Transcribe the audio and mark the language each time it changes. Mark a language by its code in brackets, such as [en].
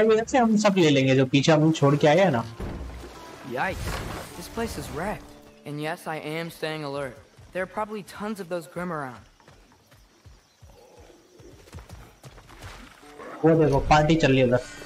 [hi] से हम सब ले लेंगे जो पीछे हम छोड़ के आए हैं ना। [en] Yikes. This place is wrecked. And yes, I am staying alert. There are probably tons of those grim around. [hi] वो देखो पार्टी चल रही है उधर।